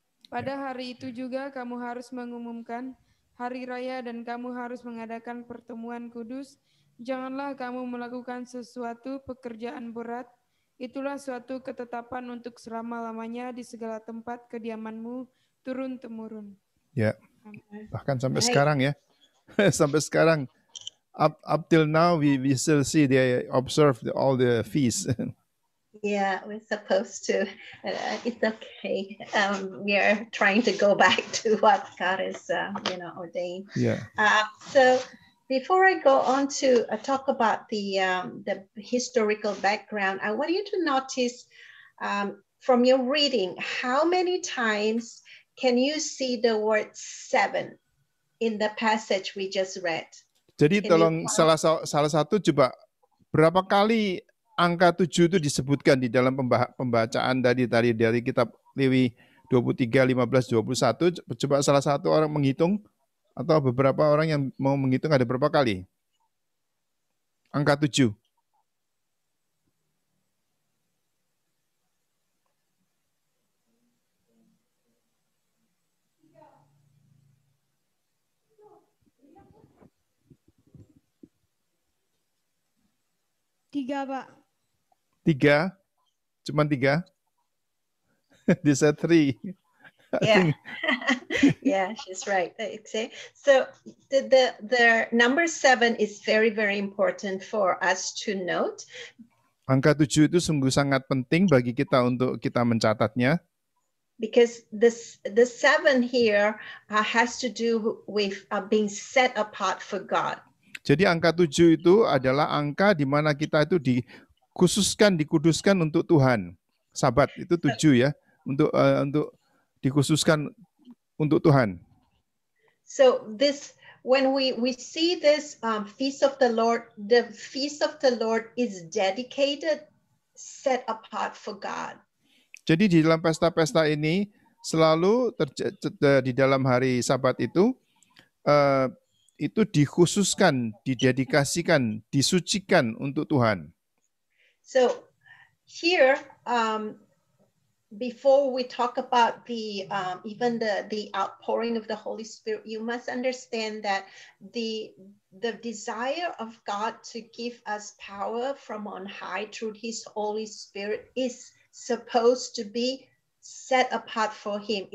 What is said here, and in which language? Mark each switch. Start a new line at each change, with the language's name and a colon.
Indonesian: Pada hari itu juga kamu harus mengumumkan hari raya dan kamu harus mengadakan pertemuan kudus. Janganlah kamu melakukan sesuatu pekerjaan berat. Itulah suatu ketetapan untuk selama-lamanya di segala tempat kediamanmu turun-temurun. Ya, bahkan sampai sekarang ya. Sampai sekarang.
English: Up till now, we still see they observe all the feasts. Yeah, we're supposed to. It's okay. We are trying to go back to what God is, ordained. Yeah. So before I go on to talk about the historical background, I want you to notice from your reading, how many times can you see the word 7 in the passage we just read?
Indonesian: Jadi tolong salah satu coba berapa kali angka 7 itu disebutkan di dalam pembacaan dari kitab Lewi 23, 15, 21. Coba salah satu orang menghitung atau beberapa orang yang mau menghitung ada berapa kali? Angka 7. Tiga, Pak. Tiga? Cuman tiga?
English: This is three. Yeah. Yeah, she's right. Okay. So the number 7 is very, very important for us to note.
Indonesian: Angka 7 itu sungguh sangat penting bagi kita untuk kita mencatatnya.
English: Because the 7 here has to do with being set apart for God.
Indonesian: Jadi angka 7 itu adalah angka di mana kita itu dikhususkan, dikuduskan untuk Tuhan. Sabat itu 7 ya, untuk dikhususkan untuk Tuhan.
English: So this when we see this feast of the Lord, the feast of the Lord is dedicated, set apart for God.
Indonesian: Jadi di dalam pesta-pesta ini selalu di dalam hari Sabat itu dikhususkan, didedikasikan, disucikan untuk Tuhan.
English: So here before we talk about the even the outpouring of the Holy Spirit, you must understand that the desire of God to give us power from on high through his Holy Spirit is supposed to be set apart for him.